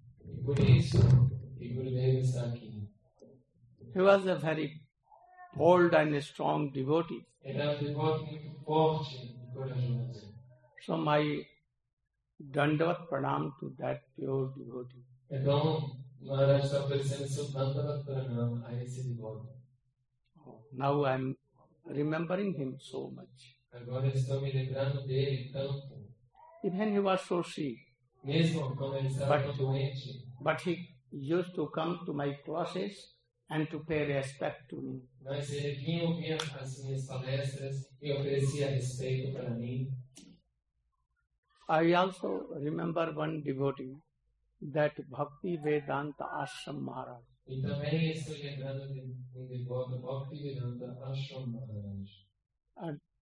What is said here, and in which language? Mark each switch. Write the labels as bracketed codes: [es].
[pt] E por isso, e Gurudev está aqui. [en] He was a very bold and a strong devotee. [pt] Era um devoto muito forte e corajoso. [en] So my dandavat pranam to that pure devotee. [pt] Então, Maharaj está oferecendo seu dandavat pranam a esse devoto. [en] Now I am remembering him so much. [pt] Agora estou me lembrando dele tanto. [en] Even he was so sick, but he used to come to my classes and to pay respect to me. [pt] Mas ele vinha ouvir as minhas palestras e oferecia respeito para mim. [en] I also remember one devotee, that Bhakti Vedanta Ashram Maharaj. [pt] E também estou lembrando de um devoto, Bhakti Vedanta Ashram Maharaj.